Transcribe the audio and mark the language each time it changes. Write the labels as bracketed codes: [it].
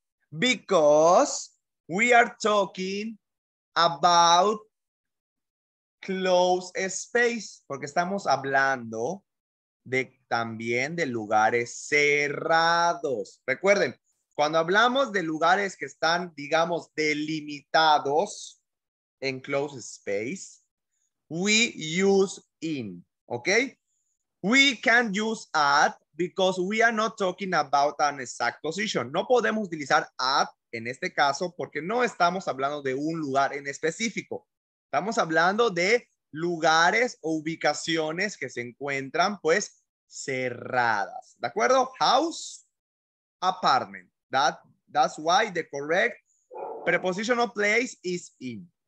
[en] Because we are talking about close space, [es] porque estamos hablando de también de lugares cerrados. Recuerden, cuando hablamos de lugares que están, digamos, delimitados en [en] close space, we use in, okay? We can use at because we are not talking about an exact position. [es] No podemos utilizar at en este caso porque no estamos hablando de un lugar en específico. Estamos hablando de lugares o ubicaciones que se encuentran, pues, cerradas. ¿De acuerdo? House, apartment. [en] That's why the correct preposition of place is in.